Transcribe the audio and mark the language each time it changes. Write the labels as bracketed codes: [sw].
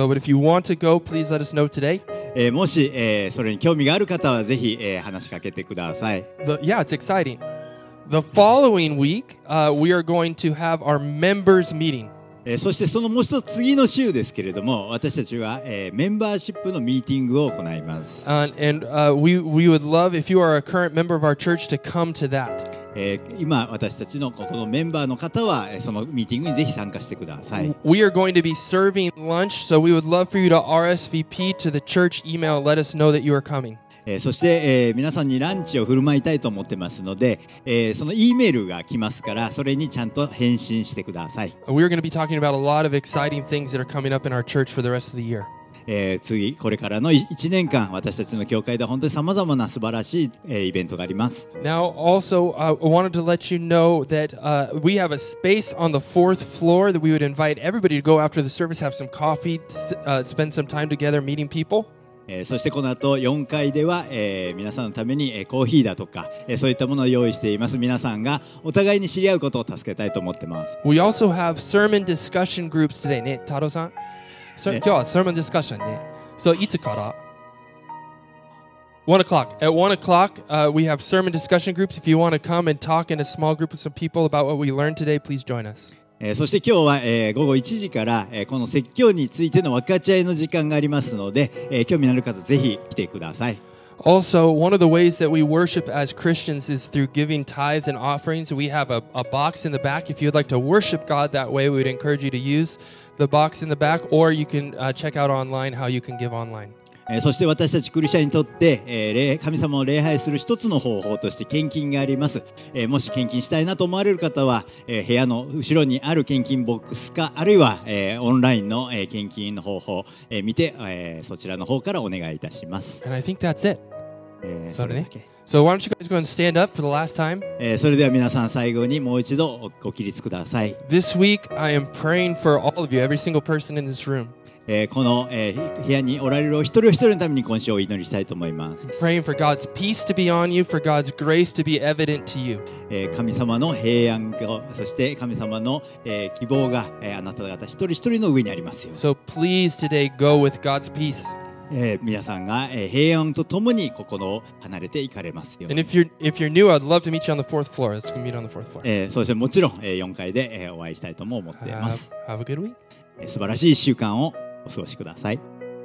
[en] So, but if you want to go, please let us know today. [ja] もし、それに興味がある方はぜひ、話しかけてください。 [en] Yeah, it's exciting. The following week, we are going to have our members meeting. [ja] そしてそのもう一つ次の週ですけれども、私たちは、メンバーシップのミーティングを行います。 [en] And we would love if you are a current member of our church to come to that. [ja] 今私たちのここのメンバーの方はそのミーティングにぜひ参加してください。 [en] We are going to be serving lunch, so we would love for you to RSVP to the church email. Let us know that you are coming. [ja] そして、皆さんにランチを振る舞いたいと思ってますので、その E メールが来ますから、それにちゃんと返信してください。 [en] We are going to be talking about a lot of exciting things that are coming up in our church for the rest of the year. [ja] 次これからの1年間私たちの教会で本当にさまざまな素晴らしい、イベントがあります。 [en] Now also I wanted to let you know that we have a space on the fourth floor that we would invite everybody to go after the service, have some coffee, spend some time together meeting people. [ja] そしてこの後4階では、皆さんのために、コーヒーだとか、そういったものを用意しています。皆さんがお互いに知り合うことを助けたいと思ってます。 [en] We also have sermon discussion groups today, ね、太郎さん。 [ja] 今日はサーモンディスカッションね。 [en] So, [ja] いつから [en] ?1 o'clock. At 1 o'clock,、we have sermon discussion groups. If you want to come and talk in a small group with some people about what we learned today, please join us.、 [ja] そして今日は、午後1時から、この説教についての分かち合いの時間がありますので、興味のある方ぜひ来てください。 [en] Also, one of the ways that we worship as Christians is through giving tithes and offerings. We have a box in the back. If you'd like to worship God that way, we would encourage you to use the box in the back, or you can check out online how you can give online. [ja] そして私たちクリスチャンにとって、神様を礼拝する一つの方法として献金があります。もし献金したいなと思われる方は、部屋の後ろにある献金ボックスか、あるいは、オンラインの、献金の方法を、見て、そちらの方からお願いいたします。 [en] And I think that's it. So why don't you guys go and stand up for the last time? [ja] それでは皆さん最後にもう一度ご起立ください。 [en] This week I am praying for all of you, every single person in this room. [ja] この部屋におられるお一人お一人のために今週お祈りしたいと思います。 [en] Praying for God's peace to be on you, for God's grace to be evident to you. [ja] 神様の平安と、そして神様の希望が、あなた方一人一人の上にありますよ。 [en] So please today go with God's peace. [ja] 皆さんが平安とともにここの離れて行かれますように。 [en] And if you're new, I'd love to meet you on the fourth floor. Let's meet on the fourth floor. [ja] そしてもちろん4階でお会いしたいとも思っています。 [en] Have a good week. [ja] 素晴らしい1週間をお過ごしください。